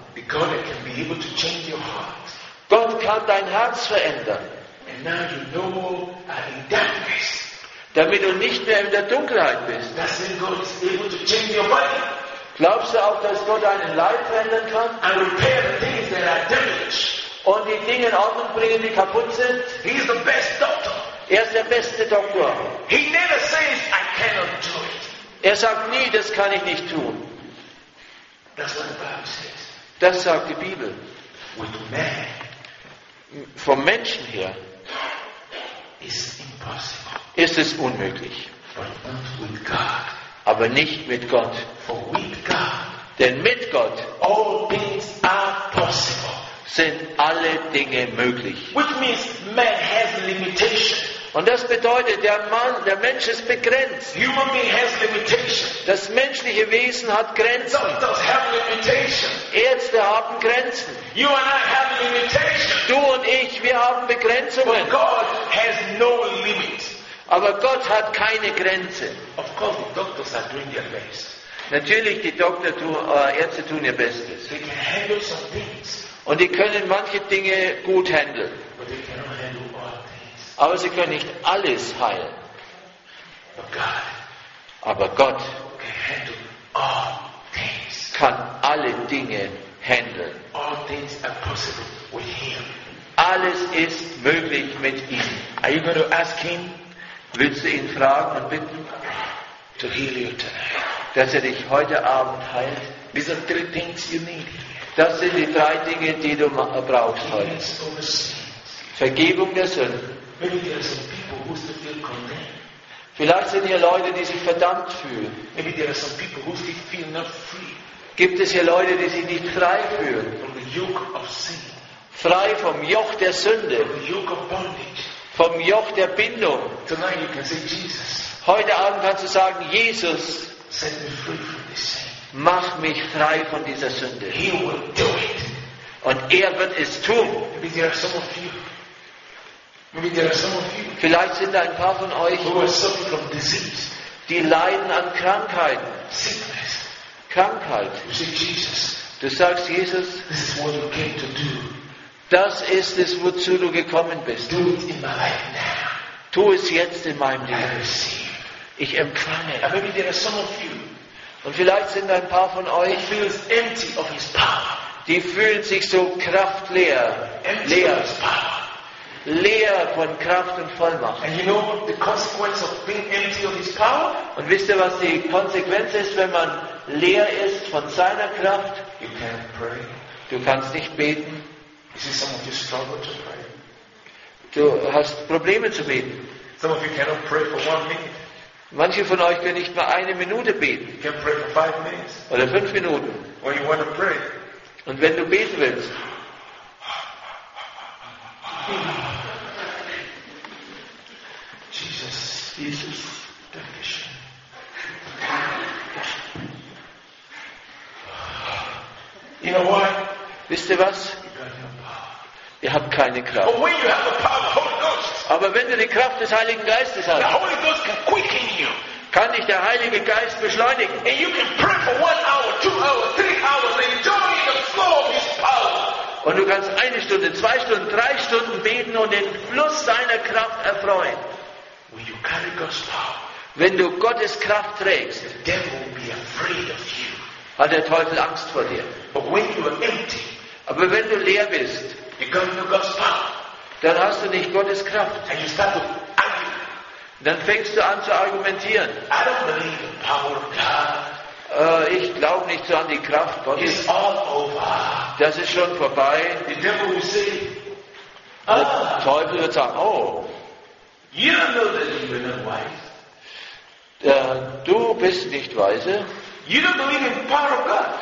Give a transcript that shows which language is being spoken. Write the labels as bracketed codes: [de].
[en] Because God can be able to change your heart. [de] Gott kann dein Herz verändern. [en] And now you no more are in darkness. [de] Damit du nicht mehr in der Dunkelheit bist. [en] Does God is able to change your body? [de] Glaubst du auch, dass Gott deinen Leib verändern kann? [en] And repair the things that are damaged. [de] Und die Dinge in Ordnung bringen, die kaputt sind? [en] He is the best doctor. [de] Er ist der beste Doktor. [en] He never says, I cannot do it. [de] Er sagt nie, das kann ich nicht tun. [en] That's what the Bible says. [de] Das sagt die Bibel. [en] With man. [de] Vom Menschen her. [en] Is impossible. [de] Ist es unmöglich. [en] But not with God. [de] Aber nicht mit Gott. [en] For with God, [de] denn mit Gott [en] all things are possible. [de] Sind alle Dinge möglich. [en] Which means man has limitation. [de] Und das bedeutet, der Mensch ist begrenzt. [en] Human being has limitation. [de] Das menschliche Wesen hat Grenzen. [en] Doctors have limitation. [de] Ärzte haben Grenzen. [en] You and I have limitation. [de] Du und ich, wir haben Begrenzungen. [en] But God has no limit. [de] Aber Gott hat keine Grenze. [en] Of course, the doctors are doing their best. [de] Natürlich, die Doktor tun, Ärzte tun ihr Bestes. [en] They can handle some things. [de] Und die können manche Dinge gut handeln. [en] But they cannot handle all things. [de] Aber sie können nicht alles heilen. [en] But God, [de] aber Gott [en] can handle all things. [de] Kann alle Dinge handeln. [en] All things are possible with him. [de] Alles ist möglich mit ihm. [en] Are you going to ask him? [de] Willst du ihn fragen und bitten, [en] to heal you tonight. [de] Dass er dich heute Abend heilt? [en] These are three things you need. [de] Das sind die drei Dinge, die du brauchst heute. Vergebung der Sünden. [en] Maybe there are some people who still feel condemned. [de] Vielleicht sind hier Leute, die sich verdammt fühlen. [en] Maybe there are some people who still feel not free. [de] Gibt es hier Leute, die sich nicht frei fühlen? [en] From the yoke of sin. [de] Frei vom Joch der Sünde. [en] From the yoke of bondage. [de] Vom Joch der Bindung. [en] Tonight you can say, Jesus. [de] Heute Abend kannst du sagen, Jesus, [en] set me free from this. [de] Mach mich frei von dieser Sünde. [en] He will do it. [de] Und er wird es tun. [en] Maybe there are some of you. Maybe there are some of you. [de] Vielleicht sind ein paar von euch, [en] who are suffering from disease. [de] Die leiden an Krankheiten. [en] Sickness. [de] Krankheit. [en] You say, Jesus. [de] Du sagst, Jesus, [en] this is what you came to do. [de] Das ist es, wozu du gekommen bist. [en] Do it in my life now. [de] Tu es jetzt in meinem Leben. [en] I receive. [de] Ich empfange. [en] And maybe there are some of you. [de] Und vielleicht sind ein paar von euch, [en] who feels empty of his power. [de] Die fühlen sich so kraftleer. [en] Empty [de] leer. [en] Of his power. [de] Leer von Kraft und Vollmacht. [en] And you know what the consequence of being empty of his power? [de] Und wisst ihr, was die Konsequenz ist, wenn man leer ist von seiner Kraft? [en] You can't pray. [de] Du kannst nicht beten. [en] You see, some of you struggle to pray. [de] Du hast Probleme zu beten. [en] Some of you cannot pray for 1 minute. [de] Manche von euch können nicht mal eine Minute beten. [en] You can pray for 5 minutes. [de] Oder 5 Minuten. [en] When you want to pray. [de] Und wenn du beten willst. [en] Jesus. [de] Jesus. Danke schön. [en] You know what? [de] Wisst ihr was? Ihr habt keine Kraft. [en] But when you have the power of the Holy Ghost, [de] aber wenn du die Kraft des Heiligen Geistes hast, [en] the Holy Ghost can quicken you. [de] Kann dich der Heilige Geist beschleunigen. [en] And you can pray for 1 hour, 2 hours, 3 hours, enjoying the flow of his power. [de] Und du kannst eine Stunde, zwei Stunden, drei Stunden beten und den Fluss seiner Kraft erfreuen. [en] When you carry God's power, [de] wenn du Gottes Kraft trägst, [en] the devil will be afraid of you. [de] Hat der Teufel Angst vor dir. [en] But when you are empty, [de] aber wenn du leer bist, [en] you got no God's power, [de] dann hast du nicht Gottes Kraft. [en] And you start to argue. [de] Dann fängst du an zu argumentieren. [en] I don't believe the power of God. [de] Ich glaube nicht so an die Kraft Gottes. [en] It's all over. [de] Das ist schon vorbei. [en] The devil will say, [de] der Teufel wird sagen, oh, [en] you don't know that you're not wise. [de] Du bist nicht weise. [en] You don't believe in the power of God.